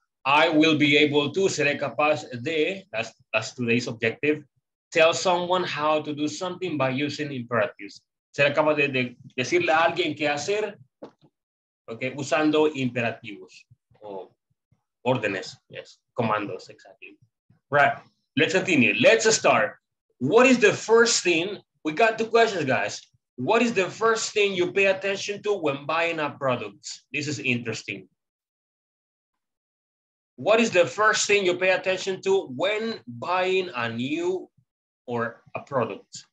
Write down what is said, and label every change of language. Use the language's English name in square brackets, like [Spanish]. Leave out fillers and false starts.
[English] I will be able to, [Spanish] seré capaz de, [English] that's today's objective, tell someone how to do something by using imperatives. [Spanish] Seré capaz de decirle a alguien qué hacer, okay, usando imperativos, oh, órdenes, yes, comandos, exactly. [English] Right, let's continue, let's start. What is the first thing, we got two questions, guys. What is the first thing you pay attention to when buying a product? This is interesting. What is the first thing you pay attention to when buying a new or a product?